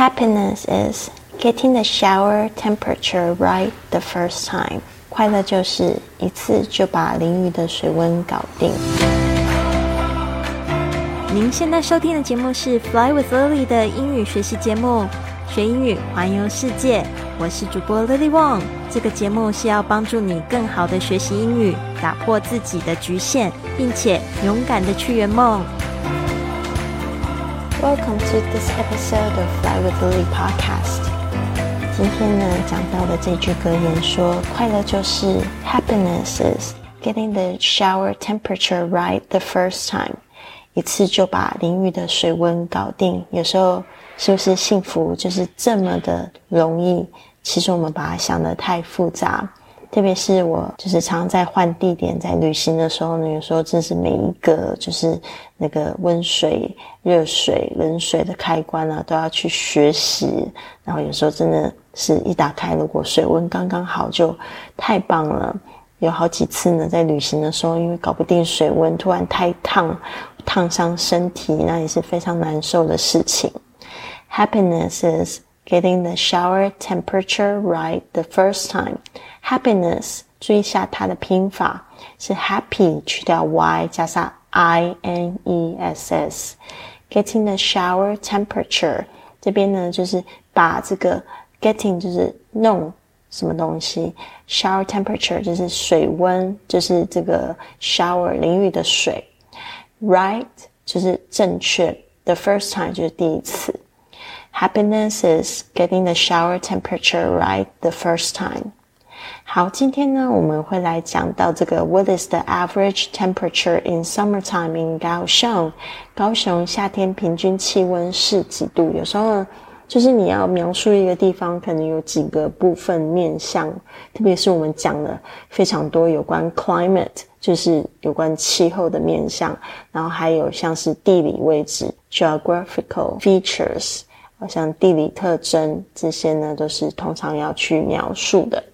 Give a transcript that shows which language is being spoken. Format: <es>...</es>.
<en>Happiness is getting the shower temperature right the first time.</en> <zh>快乐就是一次就把淋浴的水温搞定。您现在收听的节目是 Fly with Lily 的英语学习节目，学英语环游世界。我是主播 Lily Wong。这个节目是要帮助你更好的学习英语，打破自己的局限，并且勇敢的去圆梦。</zh> <en>Welcome to this episode of Fly with Lily podcast.</en> <zh>今天呢，讲到的这句格言说，快乐就是</zh> <en>happiness is getting the shower temperature right the first time.</en> <zh>一次就把淋浴的水温搞定。有时候是不是幸福就是这么的容易？其实我们把它想得太复杂。特别是我就是常在换地点在旅行的时候呢，有时候真是每一个就是那个温水、热水、冷水的开关啊，都要去学习，然后有时候真的是一打开如果水温刚刚好就太棒了。有好几次呢在旅行的时候，因为搞不定水温突然太烫，烫伤身体，那也是非常难受的事情。</zh> <en>Happiness is getting the shower temperature right the first timeHappiness,</en> <zh>注意一下它的拼法是 happy 去掉 y 加上 i-n-e-s-s. Getting the shower temperature, 这边呢就是把这个 getting 就是弄什么东西， shower temperature 就是水温，就是这个 shower 淋浴的水， right 就是正确， the first time 就是第一次。</zh> <en>Happiness is getting the shower temperature right the first time.</en> <zh>好，今天呢我们会来讲到这个</zh> <en>What is the average temperature in summertime in 高雄？</en> <zh>高雄夏天平均气温是几度？有时候就是你要描述一个地方可能有几个部分面向，特别是我们讲了非常多有关 climate 就是有关气候的面向，然后还有像是地理位置 geographical features 好像地理特征，这些呢都是通常要去描述的。</zh>